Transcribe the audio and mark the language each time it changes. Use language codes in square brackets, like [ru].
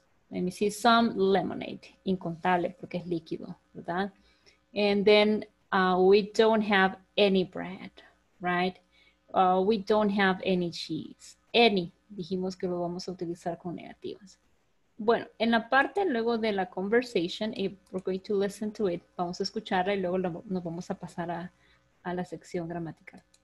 [en] Let me see, some lemonade, [es] incontable porque es líquido, ¿verdad? [en] And then we don't have any bread, right? We don't have any cheese, any. [es] Dijimos que lo vamos a utilizar con negativas. Bueno, en la parte luego de la conversation, [en] we're going to listen to it. [es] Vamos a escucharla y luego nos vamos a pasar a la sección gramatical.